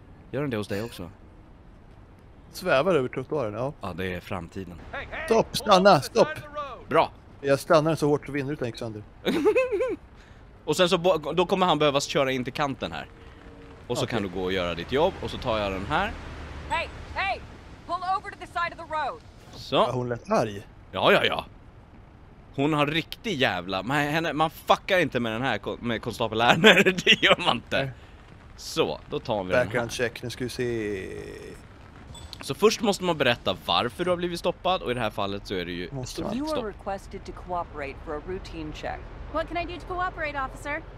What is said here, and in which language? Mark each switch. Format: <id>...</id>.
<sv>Gör den det hos dig också? Svävar över trottoaren, ja. Ja, det är framtiden. Stopp, stanna, stopp. Bra. Jag stannar så hårt så vinner du den, Alexander. Och sen så, då kommer han behövas köra in till kanten här. Och så okay. Kan du gå och göra ditt jobb. Och så tar jag den här.</sv> <en>Hey, hey, pull over to the side of the road.</en> <sv>Så. Ja, hon lät arg. Ja, ja, ja. Hon har riktig jävla... Man fuckar inte med den här med konstapel Lärner. Det gör man inte. Så, då tar vi</sv> <en>background</en> <sv>den här. Check, nu ska vi se... Så först måste man berätta varför du har blivit stoppad, och i det här fallet så är det ju</sv> <en>stopp. You are requested to cooperate for a routine check. What can I do to cooperate, officer?</en>